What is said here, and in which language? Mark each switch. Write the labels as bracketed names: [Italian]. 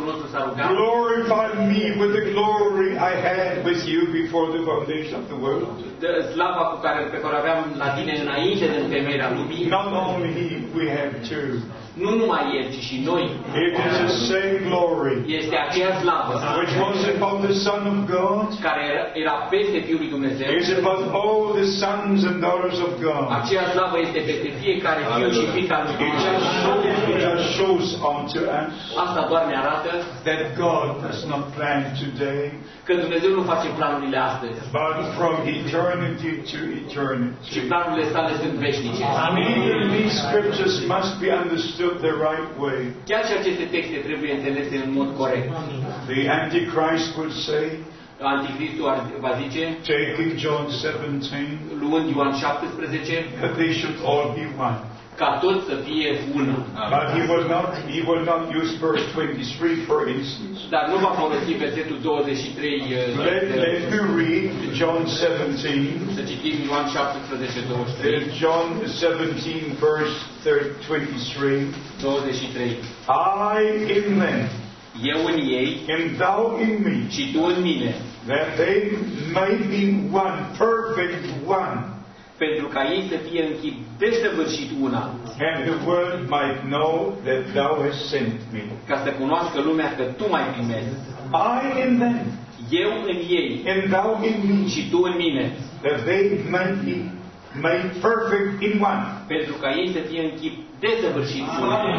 [English] Glorify me with the glory I had with you before the foundation of the world. [Romanian] Slava cu care pe care aveam la tine înainte de temerea lumii. [English] Not only he, we have too. [Romanian] Nu numai el, ci și noi. [English] It is the same glory. [Romanian] Este aceeași slavă. [English] Which was upon the Son of God. [Romanian] Care era peste Fiul lui Dumnezeu. [English] It is upon all the sons and daughters of God. [Romanian] Aceeași slavă este peste fiecare fiu și fiica lui [English] Dumnezeu. It just shows unto us. [Romanian] Asta doar ne arată. [English] That God has not planned today. [Romanian] Că Dumnezeu nu face planurile astăzi. [English] But from eternity to eternity. [Romanian] Și planurile sale sunt veșnice. [English] Amen. These scriptures must be understood the right way. [Romanian] Chiar și aceste texte trebuie înțelese în mod corect. [English] The Antichrist will say, [Romanian] Anticristul va zice, [English] taking John 17, [Romanian] luând Ioan 17, [English] that they should all be one. [Romanian] Ca tot să fie unul. [English] But he will not use verse 23 for instance. [Romanian] Dar nu va folosi versetul 23. [English] Let me read John 17. [Romanian] Să citim Ioan 17, 23. [English] John 17, verse 23. 23. I in them. [Romanian] Eu în ei. [English] And thou in me. [Romanian] Și tu în mine. [English] That they may be one, perfect one. [Romanian] Pentru ca ei să fie în chip desăvârșit una. [English] And the world might know that thou hast sent me. [Romanian] Ca să cunoască lumea că tu m-ai trimis. [English] I in them. [Romanian] Eu în ei. [English] And thou in me. [Romanian] Și tu în mine. [English] That they might be made perfect in one. [Romanian] Pentru ca ei să fie în chip desăvârșit una.